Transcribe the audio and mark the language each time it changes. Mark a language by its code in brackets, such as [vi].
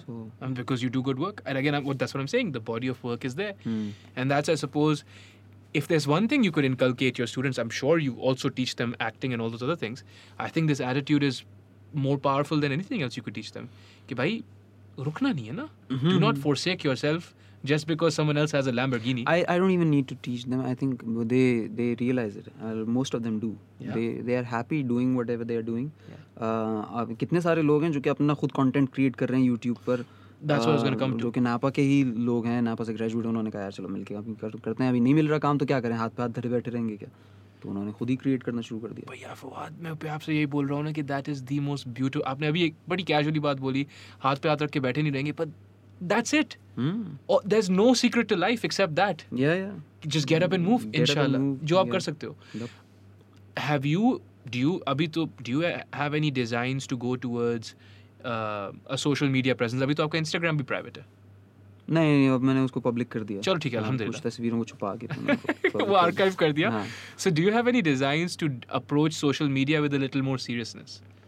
[en] So and because you do good work and again what that's what I am saying the body of work is there and that's I suppose if there is one thing you could inculcate your students. I am sure you also teach them acting and all those other things. I think this attitude is more powerful than anything else you could teach them [hi] कि भाई रुकना नहीं है ना. [en] Do not forsake yourself just because someone else has a Lamborghini. I don't even need to teach them. I think they realize it. Most of them do. Yeah. They are happy doing whatever they are doing. Yeah. [hi] कितने सारे लोग हैं जो कि अपना खुद content create कर रहे हैं YouTube पर. [en] That's what I was going to come to. [hi] जो कि नापा के ही लोग हैं, नापा से graduate उन्होंने कहा यार चलो मिलके अभी करते हैं. अभी नहीं मिल रहा काम तो क्या करें, हाथ पे हाथ धरे बैठे रहेंगे क्या. तो उन्होंने खुद ही क्रिएट करना शुरू कर दिया. भैया फवाद मैं आपसे यही बोल रहा हूँ ना कि [en] That is the most beautiful. [hi] आपने अभी एक बड़ी कैजुअली बात बोली, हाथ पे हाथ रख के बैठे नहीं रहेंगे, पर [en] that's it. Oh, there's no secret to life except that. Yeah. Just get up and move, inshallah. [hi] Jo aap kar sakte ho. [en] Have you, do you have any designs to go towards a social media presence? [hi] Abhi to aapka Instagram bhi private hai. नहीं नहीं, अब मैंने उसको public कर दिया. चलो ठीक है, अल्हम्दुलिल्लाह. कुछ तस्वीरों को छुपा के वो आर्काइव कर दिया. [en] So do you have any designs to approach social media with a little more seriousness?